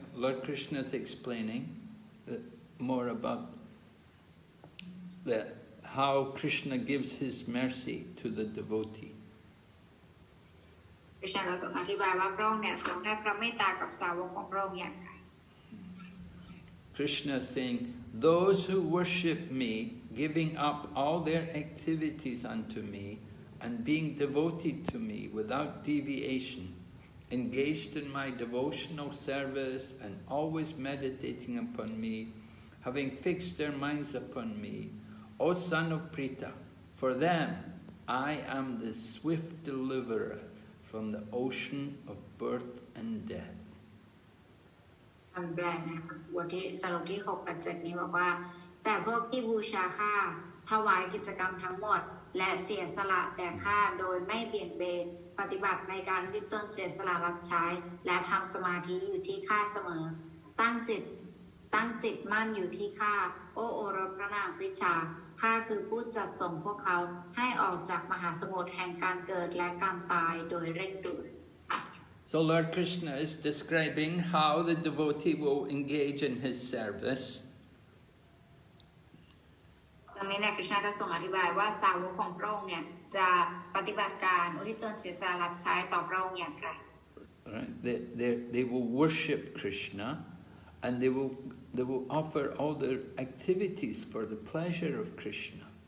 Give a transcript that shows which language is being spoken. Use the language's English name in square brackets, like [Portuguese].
[English] Lord Krishna is explaining more about how Krishna gives his mercy to the devotee. [Thai] พระเจ้าทรงอธิบายว่าพระองค์เนี่ยทรงได้พระเมตตากับสาวกของพระองค์อย่างไร [English] Krishna saying those who worship me giving up all their activities unto me and being devoted to me without deviation engaged in my devotional service and always meditating upon me having fixed their minds upon me O son of Prita for them I am the swift deliverer. From the ocean of birth and death. [Thai] คำแปลนะบทที่สรุปที่6กับ7นี้บอกว่าแต่พวกที่บูชาข้าถวายกิจกรรมทั้งหมดและเสียสละแด่ข้าโดยไม่เบี่ยงเบนปฏิบัติในการที่ต้นเสียสละรับใช้และทำสมาธิอยู่ที่ข้าเสมอตั้งจิตมั่นอยู่ที่ข้าโอโอรสพระนางปริชาข้าคือผู้จัดส่งพวกเขาให้ออกจากมหาสมุทรแห่งการเกิดและการตายโดยเร่งด่วน [English] So Lord Krishna is describing how the devotee will engage in his service [Thai] ตรงนี้นะคริชนาก็ทรงอธิบายว่าสาวกของพระองค์เนี่ยจะปฏิบัติการอุทิศตนเสียสละรับใช้ต่อพระองค์อย่างไร [English] Right they will worship Krishna and they will offer all their activities for the pleasure of Krishna.